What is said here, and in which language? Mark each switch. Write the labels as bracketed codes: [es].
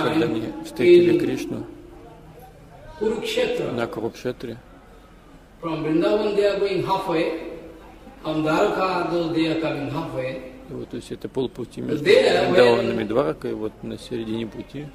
[ru] и когда они встретили Кришну на Курукшетре, [en] from Vrindavan they are going halfway, from Dwarka they are coming halfway. [ru] Вот, то есть это полпути между Вриндаванами и Дваракой, вот на середине пути.